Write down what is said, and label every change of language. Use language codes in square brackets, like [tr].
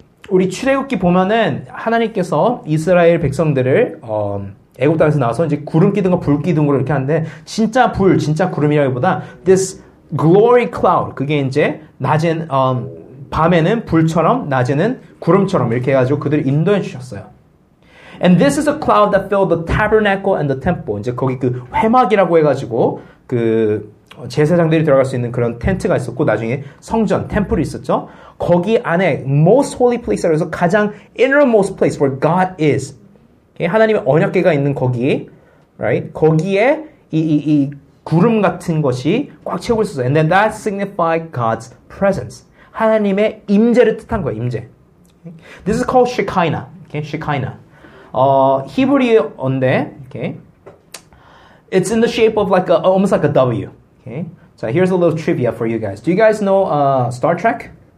[ko] 우리 출애굽기 보면은 하나님께서 이스라엘 백성들을 애굽 땅에서 나와서 이제 구름 기둥과 불 기둥으로 이렇게 하는데 진짜 불, 진짜 구름이라기보다 [en] this glory cloud. [ko] 그게 이제 낮엔 밤에는 불처럼, 낮에는 구름처럼 이렇게 해가지고 그들을 인도해 주셨어요. [en] And this is a cloud that filled the tabernacle and the temple. [ko] 이제 거기 그 회막이라고 해가지고 그 제사장들이 들어갈 수 있는 그런 텐트가 있었고 나중에 성전, 템플이 있었죠. 거기 안에 [en] most holy place, [ko] 그래서 가장 [en] innermost place where God is. [ko] 하나님의 언약궤가 있는 거기에, right? 거기에 이 구름 같은 것이 꽉 채우고 있었어요. [en] And then that signified God's presence. [ko] 하나님의 임재를 뜻한 거예요, 임재. [en] This is called Shekinah. Okay, Shekinah. [ko] 히브리어인데, [en] okay? It's in the shape of like a, almost like a W. Okay. So here's a little trivia for you guys. Do you guys know Star Trek?